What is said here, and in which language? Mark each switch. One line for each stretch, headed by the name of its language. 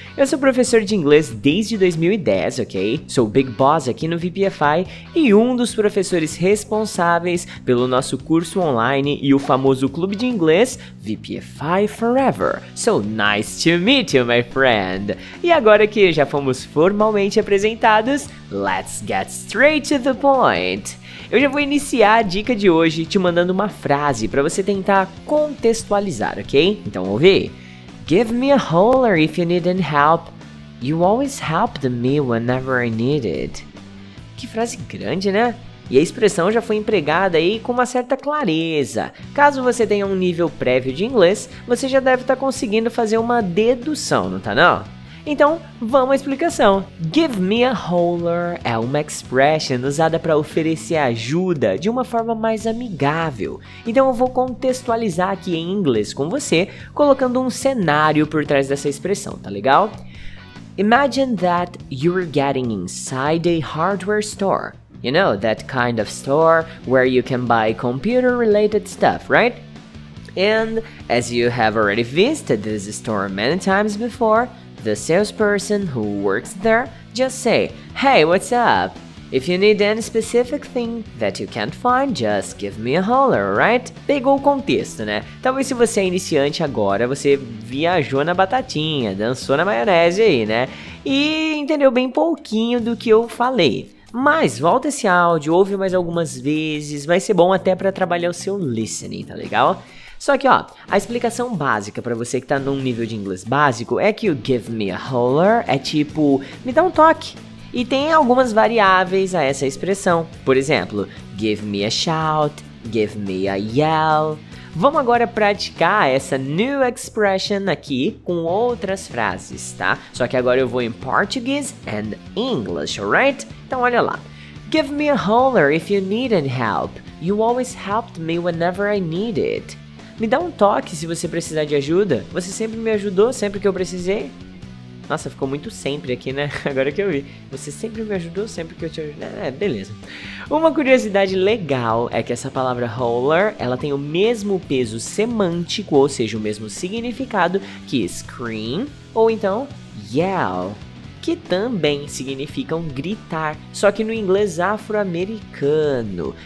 Portuguese: Eu sou professor de inglês desde 2010, ok? Sou o Big Boss aqui no VPFI e um dos professores responsáveis pelo nosso curso online e o famoso clube de inglês VPFI Forever.
English: So nice to meet you, my friend!
Portuguese: E agora que já fomos formalmente apresentados,
English: let's get straight to the point.
Portuguese: Eu já vou iniciar a dica de hoje te mandando uma frase para você tentar contextualizar, ok? Então ouve.
English: Give me a holler if you need any help. You always helped me whenever I needed.
Portuguese: Que frase grande, né? E a expressão já foi empregada aí com uma certa clareza. Caso você tenha um nível prévio de inglês, você já deve estar conseguindo fazer uma dedução, não tá não? Então, vamos à explicação. Give me a holler é uma expression usada para oferecer ajuda de uma forma mais amigável. Então eu vou contextualizar aqui em inglês com você, colocando um cenário por trás dessa expressão, tá legal?
English: Imagine that you're getting inside a hardware store. You know, that kind of store where you can buy computer-related stuff, right? And as you have already visited this store many times before, the salesperson who works there just say, "Hey, what's up? If you need any specific thing that you can't find, just give me a holler, right?"
Portuguese: Pegou o contexto, né? Talvez se você é iniciante agora, você viajou na batatinha, dançou na maionese aí, né? E entendeu bem pouquinho do que eu falei. Mas volta esse áudio, ouve mais algumas vezes, vai ser bom até pra trabalhar o seu listening, tá legal? Só que ó, a explicação básica pra você que tá num nível de inglês básico é que o give me a holler é tipo, me dá um toque. E tem algumas variáveis a essa expressão. Por exemplo,
English: give me a shout, give me a yell.
Portuguese: Vamos agora praticar essa new expression aqui com outras frases, tá? Só que agora eu vou em
English: Portuguese and English, alright?
Portuguese: Então olha lá.
English: Give me a holler if you need any help. You always helped me whenever I needed.
Portuguese: Me dá um toque se você precisar de ajuda. Você sempre me ajudou sempre que eu precisei. Nossa, ficou muito sempre aqui, né? Agora que eu vi. Você sempre me ajudou, sempre que eu te ajudei. É, beleza. Uma curiosidade legal é que essa palavra holler, ela tem o mesmo peso semântico, ou seja, o mesmo significado que scream, ou então yell, que também significam gritar, só que no inglês afro-americano.